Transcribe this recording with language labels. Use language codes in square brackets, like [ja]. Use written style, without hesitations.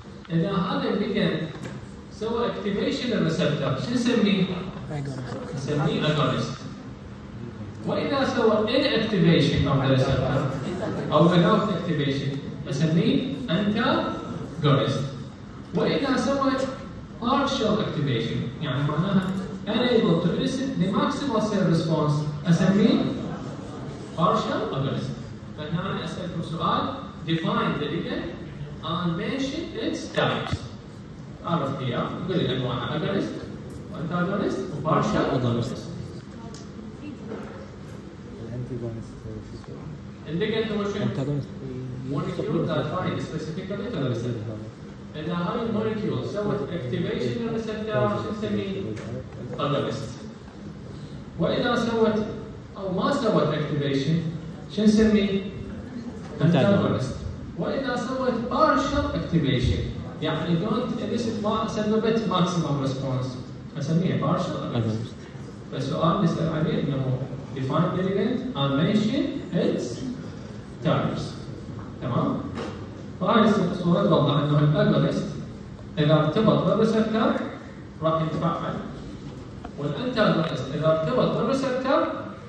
[ar] اذا هذا الليجند سوى اكتيفيشن للريسبتر شو نسميه؟ نسميه اغونيست. واذا سوى ان اكتيفيشن او ريسبتر او without اكتيفيشن نسميه انتاغونيست. [en] واذا سوى partial activation [ar] يعني معناها [en] unable to elicit the maximal cell response نسميه partial agonist. [ar] فهنا أنا أسألكم سؤال [en] define the ligand and mention its types. [ar] أعرف هي قولي أنواع agonist antagonist و partial agonist. [en] Antagonist [ar] الligand هو شيء [en] antagonist molecule that find specifically to the receptor. [ar] إذا هاي المولكيول سوت activation للـ receptor شو نسميه؟ agonist. وإذا سوت أو ما سوت activation شو نسميه؟ [en] antagonist. [ar] وإذا سوت partial activation يعني [en] don't elicit [ar] ما سببت maximum response أسميه partial agonist. فالسؤال نسأل عليه إنه [en] define the ligand and mention its types. [ar] تمام؟ فهاي الصورة توضح إنه الأجونست إذا ارتبط بالريسبتر راح يتفعل، والأنتاغونست إذا ارتبط بالريسبتر